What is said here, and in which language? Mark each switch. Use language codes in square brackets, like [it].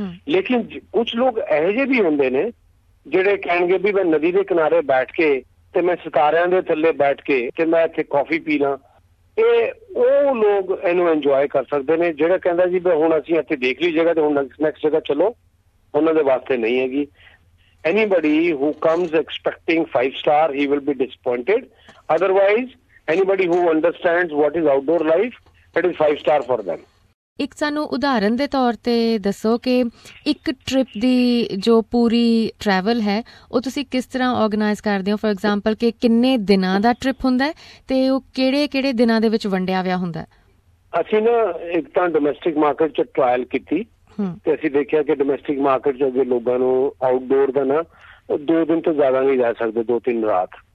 [pa] ਲੇਕਿਨ ਕੁਛ ਲੋਕ ਇਹੋ ਜਿਹੇ ਵੀ ਹੁੰਦੇ ਨੇ ਜਿਹੜੇ ਕਹਿਣਗੇ ਵੀ ਮੈਂ ਨਦੀ ਦੇ ਕਿਨਾਰੇ ਬੈਠ ਕੇ ਤੇ ਮੈਂ ਸਿਤਾਰਿਆਂ ਦੇ ਥੱਲੇ ਬੈਠ ਕੇ ਤੇ ਮੈਂ ਇੱਥੇ ਕੌਫੀ ਪੀ ਲਾਂ, ਇਹ ਉਹ ਲੋਕ ਇਹਨੂੰ ਇੰਜੋਏ ਕਰ ਸਕਦੇ ਨੇ। ਜਿਹੜਾ ਕਹਿੰਦਾ ਜੀ ਵੀ ਹੁਣ ਅਸੀਂ ਇੱਥੇ ਦੇਖ ਲਈ ਜਗ੍ਹਾ ਤੇ ਹੁਣ ਨੈਕਸਟ ਜਗ੍ਹਾ ਚਲੋ, ਉਹਨਾਂ ਦੇ ਵਾਸਤੇ ਨਹੀਂ ਹੈਗੀ। [en] Anybody who comes expecting 5-star, he will be disappointed. Otherwise, anybody who understands what is outdoor life, it is 5-star for them. [pa] ਇੱਕ ਸਾਨੂੰ ਉਦਾਹਰਣ ਦੇ ਤੌਰ ਤੇ ਦੱਸੋ ਕਿ ਇੱਕ ਟ੍ਰਿਪ ਦੀ ਜੋ ਪੂਰੀ ਟਰੈਵਲ ਹੈ ਉਹ ਤੁਸੀਂ ਕਿਸ ਤਰ੍ਹਾਂ ਆਰਗੇਨਾਈਜ਼ ਕਰਦੇ ਹੋ? [en] for example [pa] ਕਿ ਕਿੰਨੇ ਦਿਨਾਂ ਦਾ ਟ੍ਰਿਪ ਹੁੰਦਾ ਤੇ ਉਹ ਕਿਹੜੇ ਕਿਹੜੇ ਦਿਨਾਂ ਦੇ ਵਿੱਚ ਵੰਡਿਆ ਹੋਇਆ ਹੁੰਦਾ? ਅਸੀਂ ਨਾ ਇੱਕ ਤਾਂ ਡੋਮੈਸਟਿਕ ਮਾਰਕੀਟ 'ਚ ਟ੍ਰਾਇਲ ਕੀਤੀ ਤੇ ਅਸੀਂ ਦੇਖਿਆ ਕਿ ਡੋਮੈਸਟਿਕ ਮਾਰਕੀਟ 'ਚ ਅੱਗੇ ਲੋਕਾਂ ਨੂੰ ਆਊਟਡੋਰ ਦਾ ਨਾ 2 ਦਿਨ ਤੋਂ ਜ਼ਿਆਦਾ ਨਹੀਂ ਜਾ ਸਕਦੇ, 2-3 ਰਾਤ।